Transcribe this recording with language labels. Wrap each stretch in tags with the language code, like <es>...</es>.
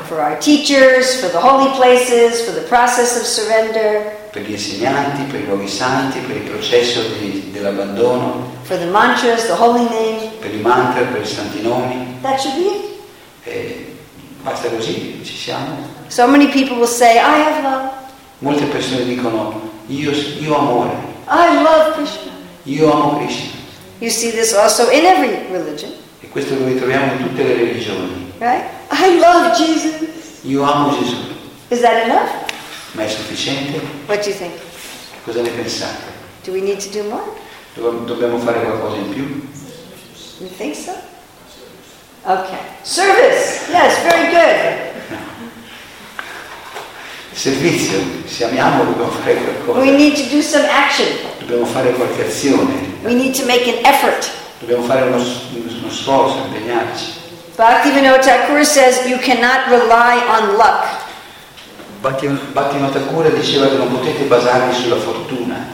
<en>For our teachers, for the holy places, for the process of surrender.</en> <it>Per gli insegnanti, per i luoghi santi, per il processo dell'abbandono.</it> <en>For the mantras, the holy name.</en> <it>Per i mantra, per i santi nomi.</it> <en>That should be it.</en> <it>Basta così, ci siamo.</it> <en>So many people will say, I have love.</en> <it>Molte persone dicono, io amore.</it> <en>I love Krishna.</en> <it>Io amo Krishna.</it> <en>You see this also in every religion.</en> <it>E questo lo ritroviamo in tutte le religioni.</it> <en>Right? I love Jesus.</en> <it>Io amo Gesù.</it> <en>Is that enough?</en> <it>Ma è sufficiente?</it> <en>What do you think?</en> <it>Cosa ne pensate?</it> <en>Do we need to do more?</en> <it>Dobbiamo fare qualcosa in più?</it> <en>You think so? Okay. Service. Yes, very good.</en> <it>Servizio. Se amiamo, dobbiamo fare qualcosa.</it> <en>We need to do some action.</en> <it>Dobbiamo fare qualche azione.</it> <en>We need to make an effort.</en> <it>Dobbiamo fare uno sforzo, impegnarci.</it> <en>Bhaktivinoda Thakura says you cannot rely on luck.</en> <it>Bhaktivinoda Thakura diceva che non potete basarvi sulla fortuna.</it>